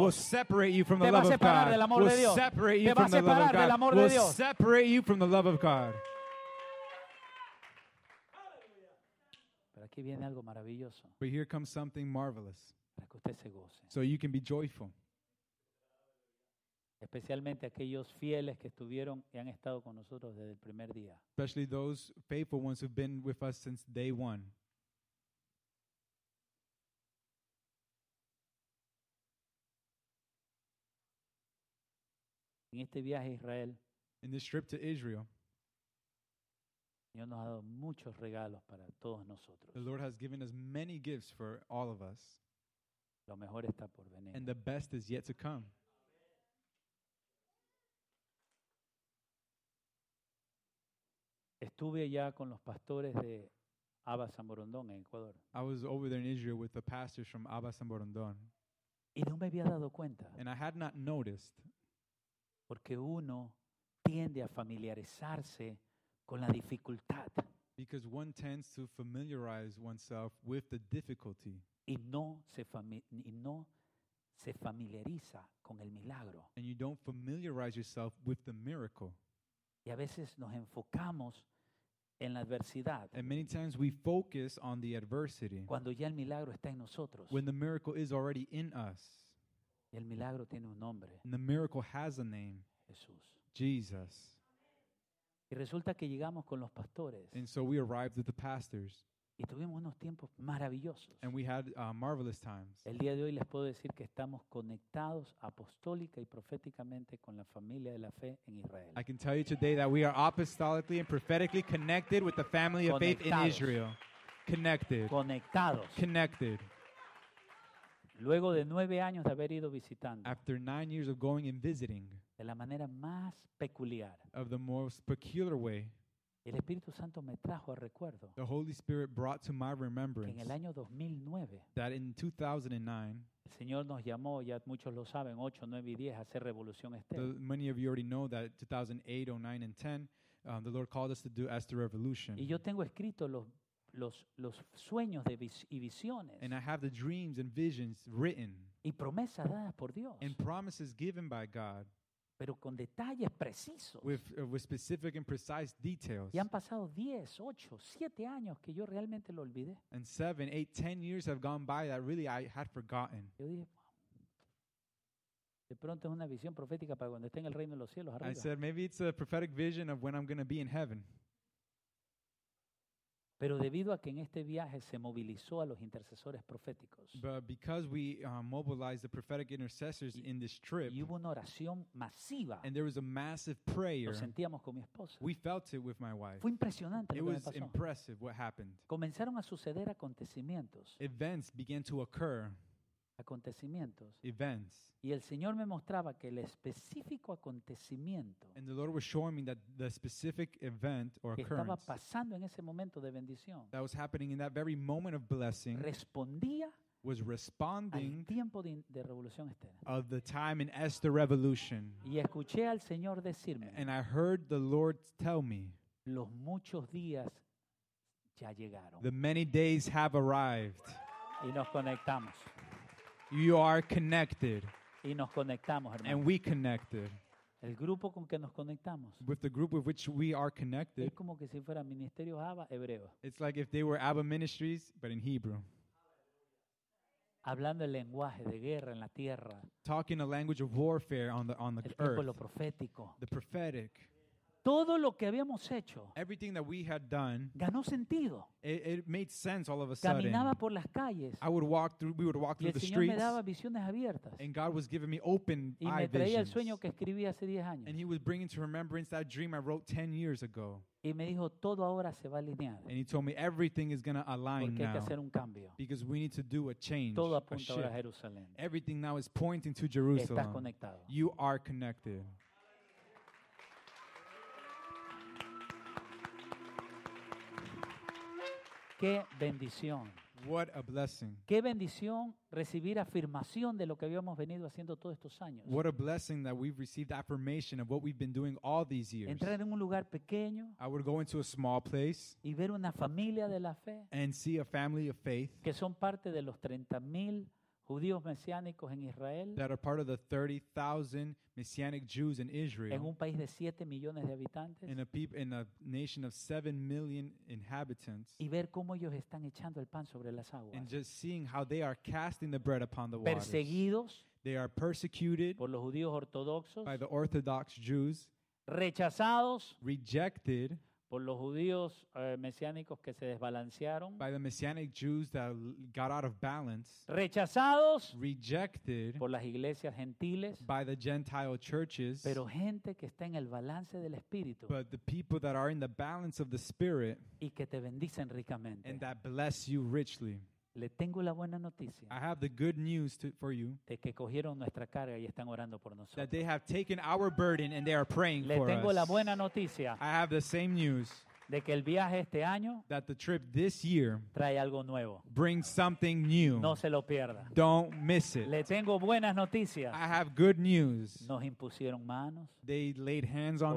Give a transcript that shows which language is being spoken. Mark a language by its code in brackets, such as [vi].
[en] Will separate you from the love of God. [es] Te va a separar del amor de Dios. [en] Will separate you from the love of God. Will separate you from the love of God. [es] Aquí viene algo maravilloso. [en] But here comes something marvelous. [es] Para que usted se goce. [en] So you can be joyful. [es] Especialmente aquellos fieles que estuvieron y han estado con nosotros desde el primer día. [en] Especially those faithful ones who've been with us since day one. [es] En este viaje a Israel. [en] In this trip to Israel. [es] Dios nos ha dado muchos regalos para todos nosotros. [en] The Lord has given us many gifts for all of us. [es] Lo mejor está por venir. [en] And the best is yet to come. [es] Estuve allá con los pastores de Abba San Borondón en Ecuador. [en] I was over there in Israel with the pastors from Abba San Borondón. [es] Y no me había dado cuenta. [en] And I had not noticed. [es] Porque uno tiende a familiarizarse con la dificultad. [en] Because one tends to familiarize oneself with the difficulty. [es] Y no se familiariza con el milagro. [en] And you don't familiarize yourself with the miracle. [es] Y a veces nos enfocamos en la adversidad. [en] And many times we focus on the adversity. [es] Cuando ya el milagro está en nosotros. [en] When the miracle is already in us. [es] Y el milagro tiene un nombre. [en] And the miracle has a name. [es] Jesús. [en] Jesus. [es] Y resulta que llegamos con los pastores. [en] And so we arrived with the pastors. [es] Y tuvimos unos tiempos maravillosos. [en] And we had marvelous times. [es] El día de hoy les puedo decir que estamos conectados apostólica y proféticamente con la familia de la fe en Israel. [en] I can tell you today that we are apostolically and prophetically connected with the family of [es] conectados. [en] Faith in Israel. Connected. [es] Conectados. [en] Connected. [es] Luego de 9 años de haber ido visitando. [en] After 9 years of going and visiting. [es] De la manera más peculiar. [en] Of the most peculiar way. [es] El Espíritu Santo me trajo a recuerdo. [en] The Holy Spirit brought to my remembrance. [es] Que en el año 2009. [en] That in 2009. [es] El Señor nos llamó, ya muchos lo saben, 8, 9 y 10, a hacer revolución Esther. [en] Many of you already know that 2008, 09 and 10, the Lord called us to do Esther Revolution. [es] Y yo tengo escrito los sueños de y visiones. [en] And I have the dreams and visions written. [es] Y promesas dadas por Dios. [en] And promises given by God. [es] Pero con detalles precisos. [en] With specific and precise details. [es] Y han pasado 10, 8, 7 años que yo realmente lo olvidé. [en] And 7, 8, 10 years have gone by that really I had forgotten. [es] Yo dije, de pronto es una visión profética para cuando esté en el reino de los cielos arriba. [en] I said, maybe it's a prophetic vision of when I'm going to be in heaven. [es] Pero debido a que en este viaje se movilizó a los intercesores proféticos. [en] But because we mobilized the prophetic intercessors in this trip. [es] Y hubo una oración masiva. [en] And there was a massive prayer. [es] Lo sentíamos con mi esposa. [en] We felt it with my wife. [es] Fue impresionante lo que pasó. [en] It was impressive what happened. [es] Comenzaron a suceder acontecimientos. [en] Events began to occur. [es] Acontecimientos. [en] Events. [es] Y el Señor me mostraba que el específico acontecimiento. [en] And the Lord was showing me that the specific event or occurrence. [es] Que estaba pasando en ese momento de bendición. [en] That was happening in that very moment of blessing. [es] Respondía. [en] Was responding. [es] Al tiempo de revolución Esther. [en] Of the time in Esther Revolution. [es] Y escuché al Señor decirme. [en] And I heard the Lord tell me. [es] Los muchos días ya llegaron. [en] The many days have arrived. [es] Y nos conectamos. [en] You are connected. [es] Y nos conectamos, hermano. [en] And we connected. [es] El grupo con que nos conectamos. [en] With the group with which we are connected. [es] Es como que si fuera ministerio Abba hebreo. [en] It's like if they were Abba Ministries, but in Hebrew. [es] Hablando el lenguaje de guerra en la tierra. [en] Talking a language of warfare on the [es] el [en] earth. [es] El tiempo lo profético. [en] The prophetic. [es] Todo lo que habíamos hecho. [en] Everything that we had done. [es] Ganó sentido. [en] It made sense all of a [es] caminaba [en] sudden. [es] Caminaba por las calles. [en] We would walk through the streets. [es] Y el Señor me daba visiones abiertas. [en] And God was giving me open eye visions. [es] Y me traía el sueño que escribí hace 10 años. [en] And he was bringing to remembrance that dream I wrote 10 years ago. [es] Y me dijo, todo ahora se va a alinear. [en] And he told me everything is going to align [es] porque [en] now. [es] Hay que hacer un cambio. [en] Because we need to do a change. [es] Todo apunta ahora a Jerusalén. [en] Everything now is pointing to Jerusalem. [es] Estás conectado. [en] You are connected. [es] Qué bendición. [en] What a blessing. [es] Qué bendición recibir afirmación de lo que habíamos venido haciendo todos estos años. [en] What a blessing that we've received affirmation of what we've been doing all these years. [es] Entrar en un lugar pequeño. [en] I would go into a small place. [es] Y ver una familia de la fe. [en] And see a family of faith. [es] Que son parte de los 30,000 judíos mesiánicos en Israel. [en] That are part of the 30,000 messianic Jews in Israel. [es] En un país de 7 millones de habitantes. [en] In a nation of 7 million inhabitants. [es] Y ver cómo ellos están echando el pan sobre las aguas. [en] And just seeing how they are casting the bread upon the waters. [es] Perseguidos. [en] They are persecuted. [es] Por los judíos ortodoxos. [en] By the orthodox Jews. [es] Rechazados. [en] Rejected. [es] Por los judíos mesiánicos que se desbalancearon. [en] By the messianic Jews that got out of balance. [es] Rechazados. [en] Rejected. [es] Por las iglesias gentiles. [en] By the Gentile churches. [es] Pero gente que está en el balance del Espíritu. [en] But the people that are in the balance of the Spirit. [es] Y que te bendicen ricamente. [en] And that bless you richly. [es] Le tengo la buena noticia. [en] I have the good news for you. [es] De que cogieron nuestra carga y están orando por nosotros. [en] That they have taken our burden and they are praying [es] le [en] for us. [es] Le tengo la buena noticia. [en] I have the same news. [es] De que el viaje este año. [en] That the trip this year. [es] Trae algo nuevo. [en] Brings something new. [es] No se lo pierda. [en] Don't miss it. [es] Le tengo buenas noticias. [en] I have good news. [es] Nos impusieron manos. [en] They laid hands on